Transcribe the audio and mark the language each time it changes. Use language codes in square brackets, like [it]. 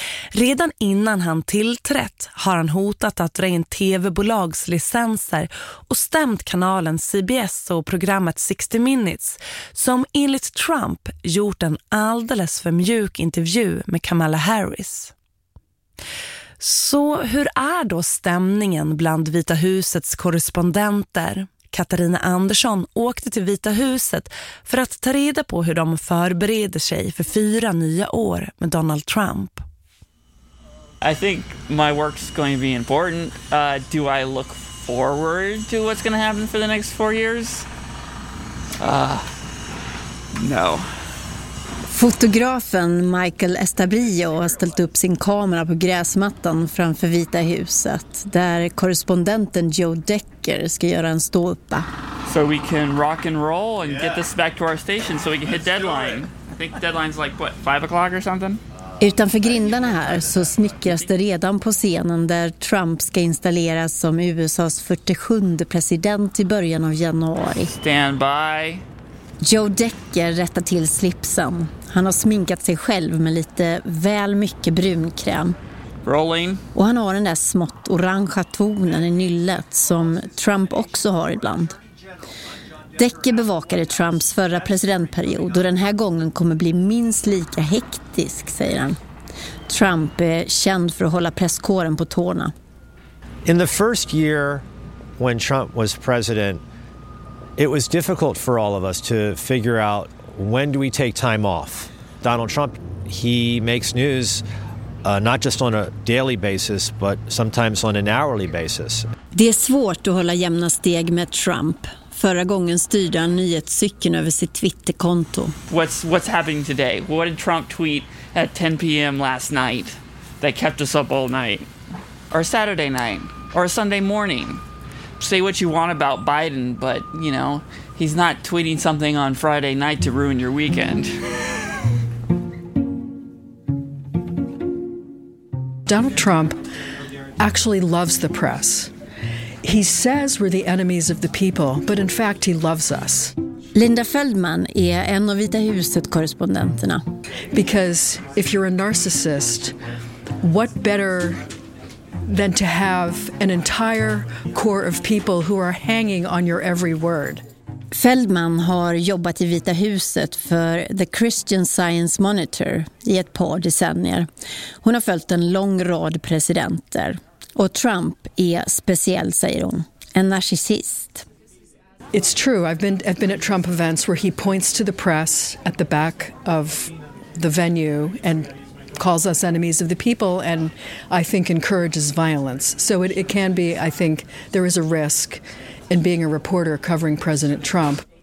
[sv] Redan innan han tillträtt har han hotat att dra in tv-bolagslicenser och stämt kanalen CBS och programmet 60 Minutes som enligt Trump gjort en alldeles för mjuk intervju med Kamala Harris. Så hur är då stämningen bland Vita husets korrespondenter? Katarina Andersson åkte till Vita huset för att ta reda på hur de förbereder sig för 4 nya år med Donald Trump. [en] I think my work's going to be important. Do I look forward to what's going to happen for the next 4 years? No. [sv] Fotografen Michael Estabrillo har ställt upp sin kamera på gräsmattan framför Vita huset där korrespondenten Joe Decker ska göra en stolpa. [en] So we can rock and roll and get this back to our station so we can hit deadline. I think deadline's like what, 5 o'clock or something? [sv] Utanför grindarna här så snickras det redan på scenen där Trump ska installeras som USAs 47:e president i början av januari. [en] Stand by. [sv] Joe Decker rättar till slipsen. Han har sminkat sig själv med lite väl mycket brunkräm. [en] Rolling. [sv] Och han har den där smått orangea tonen i nyllet som Trump också har ibland. Decker bevakade Trumps förra presidentperiod och den här gången kommer bli minst lika hektisk, säger han. Trump är känd för att hålla presskåren på tårna. [en] In the first year when Trump was president, it was difficult for all of us to figure out when do we take time off. Donald Trump, he makes news not just on a daily basis but sometimes on an hourly basis. [sv] Det är svårt att hålla jämna steg med Trump. Förra gången styrde han nyhetscykeln över sitt Twitterkonto. [en] What's happening today? What did Trump tweet at 10 p.m. last night that kept us up all night? Or Saturday night? Or Sunday morning? Say what you want about Biden, but, you know, he's not tweeting something on Friday night to ruin your weekend. Donald Trump actually loves the press. He says we're the enemies of the people, but in fact he loves us. [sv] Linda Feldman är en av Vita huset-korrespondenterna. [en] Because if you're a narcissist, what better than to have an entire core of people who are hanging on your every word? [sv] Feldman har jobbat i Vita huset för The Christian Science Monitor i ett par decennier. Hon har följt en lång rad presidenter. Och Trump är speciell, säger hon, en narcissist. [en] It's true. I've been at Trump events where he points to the press at the back of the venue and calls us enemies of the people and I think encourages violence. So it can be, I think there is a risk in being a reporter covering President Trump.